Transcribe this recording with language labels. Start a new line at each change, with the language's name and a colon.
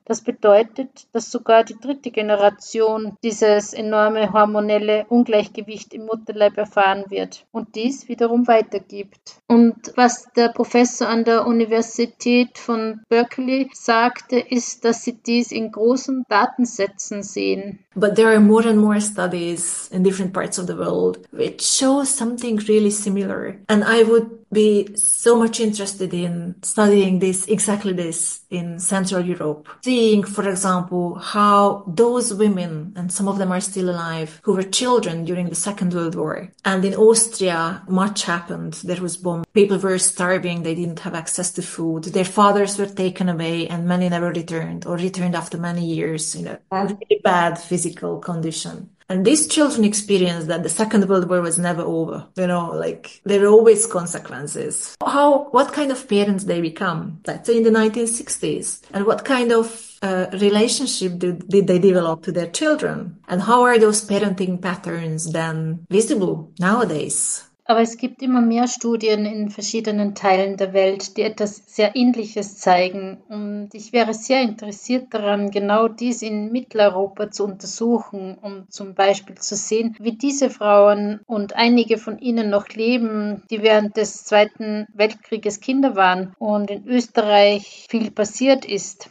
German: Das bedeutet, dass sogar die dritte Generation dieses enorme hormonelle Ungleichgewicht im Mutterleib erfahren wird und dies wiederum weitergibt. Und was der Professor an der Universität von Berkeley sagte, ist, dass sie dies in großen Datensätzen sehen.
English: But there are more and more studies in different parts of the world which show something really similar. And I would be so much interested in studying this, exactly this, in Central Europe. Seeing, for example, how those women, and some of them are still alive, who were children during the Second World War. And in Austria, much happened. There was bombing. People were starving. They didn't have access to food. Their fathers were taken away and many never returned or returned after many years in a really bad physical condition. And these children experienced that the Second World War was never over. You know, like, there are always consequences. What kind of parents they become, let's say, in the 1960s? And what kind of relationship did they develop to their children? And how are those parenting patterns then visible nowadays?
German: Aber es gibt immer mehr Studien in verschiedenen Teilen der Welt, die etwas sehr Ähnliches zeigen. Und ich wäre sehr interessiert daran, genau dies in Mitteleuropa zu untersuchen, um zum Beispiel zu sehen, wie diese Frauen und einige von ihnen noch leben, die während des Zweiten Weltkrieges Kinder waren und in Österreich viel passiert ist.